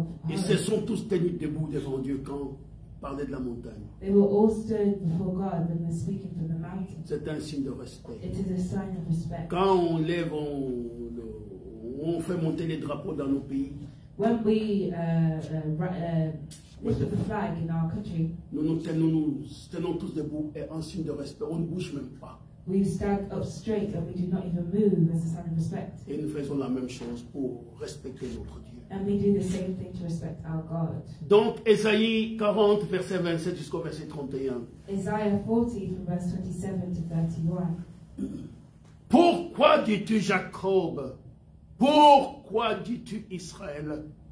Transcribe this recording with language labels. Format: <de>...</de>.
<fr>Ils se sont tous tenus debout devant Dieu quand parlait de la montagne.</fr> <en>They were all stood before God when they're speaking from the mountain.</en> <fr>C'est un signe de respect.</fr> <en>It is a sign of respect.</en> <fr>Quand on lève, on fait monter les drapeaux dans nos pays.</fr> <en>When we lift the flag in our country.</en> <fr>Nous tenons tous debout et en signe de respect, on ne bouge même pas.</fr> <en>We stand up straight and we do not even move as a sign of respect.</en> <fr>Et nous faisons la même chose pour respecter notre Dieu.</fr> <en>And we do the same thing to respect our God.</en> <fr>Donc, Ésaïe 40, verset 27 jusqu'au verset 31.</fr> <en>Isaiah 40, from verse 27 to 31.</en> <fr>Pourquoi dis-tu Jacob? Pourquoi dis-tu Israël?</fr>